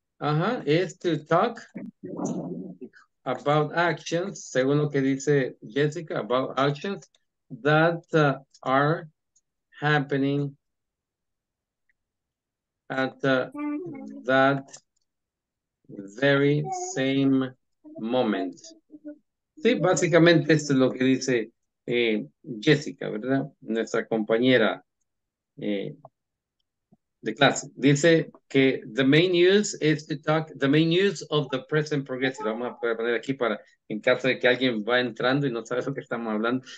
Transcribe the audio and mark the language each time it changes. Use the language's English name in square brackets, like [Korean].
[English] Ajá, es to talk about actions, [Spanish] según lo que dice [English] Jessica, about actions that are happening at that very same moment. [Spanish] Sí, básicamente esto es lo que dice Jessica, ¿verdad? Nuestra compañera de clase. Dice que [English] the main use is to talk, the main use of the present progressive. [Spanish] Vamos a poner aquí para, en caso de que alguien va entrando y no sabe lo que estamos hablando.